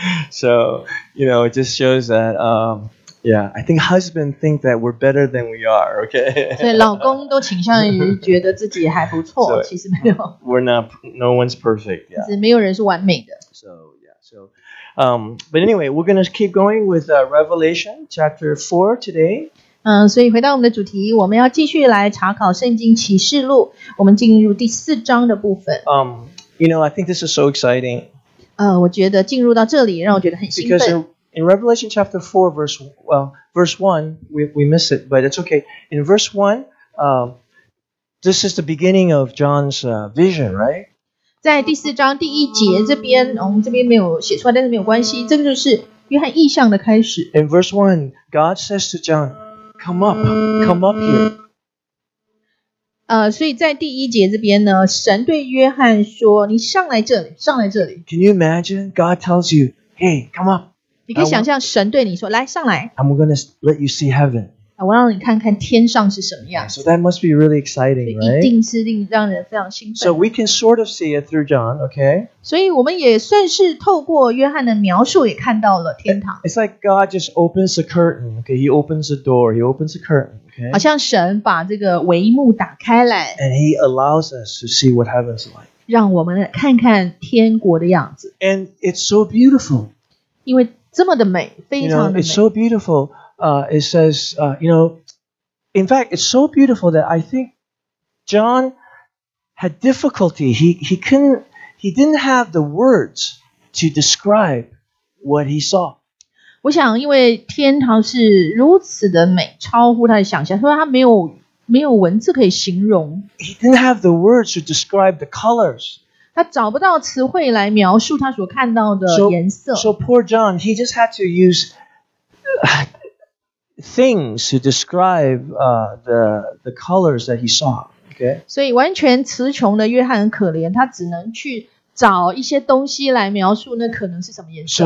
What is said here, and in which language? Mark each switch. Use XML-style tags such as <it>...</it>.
<en>？So you know it just shows that Yeah, I think husband think that we're better than we are, okay?</en> <zh>所以老公都倾向于觉得自己还不错，其实没有。</zh> <en>We're not, no one's perfect, yeah.</en> <zh>没有人是完美的。</zh> <en>So, yeah, so, but anyway, we're going to keep going with Revelation chapter 4 today.</en> <zh>所以回到我们的主题，我们要继续来查考圣经启示录，我们进入第四章的部分。</zh> <en>You know, I think this is so exciting.</en> <zh>我觉得进入到这里让我觉得很兴奋。</zh> <en>In Revelation chapter 4, verse 1, we miss it, but it's okay. In verse 1, this is the beginning of John's vision, right?</en> <zh>在第四章第一节这边，我们这边没有写出来，但是没有关系，这个就是约翰异象的开始。</zh> <en>In verse 1, God says to John, come up here.</en> <zh>所以在第一节这边呢，神对约翰说，你上来这里，上来这里。</zh> <en>Can you imagine God tells you, hey, come up?</en> <zh>你可以想象神对你说：“来，上来。”</zh> <en>I'm going to let you see heaven.</en> <zh>我让你看看天上是什么样。</zh> <en>So that must be really exciting, right?</en> <zh>一定是令让人非常兴奋。</zh> <en>So we can sort of see it through John, okay?</en> <zh>所以我们也算是透过约翰的描述也看到了天堂。</zh> <en>It's like God just opens a curtain, okay? He opens a door, he opens a curtain, okay?</en> <zh>好像神把这个帷幕打开来。</zh> <en>And he allows us to see what heaven's like.</en> <zh>让我们看看天国的样子。</zh> <en>And it's so beautiful.</en> <zh>因为这么的美，非常的美。</zh> <en>You know, it's so beautiful. It says, you know, in fact, it's so beautiful that I think John had difficulty. He didn't have the words to describe what he saw.</en> <zh>我想，因为天堂是如此的美，超乎他的想象，所以他没有文字可以形容。</zh> <en>He didn't have the words to describe the colors.</en> <zh>他找不到词汇来描述他所看到的颜色。</zh> <en>So poor John, he just had to use things to describe the colors that he saw. Okay.</en> <zh>所以完全词穷的约翰很可怜，他只能去找一些东西来描述那可能是什么颜色。</zh>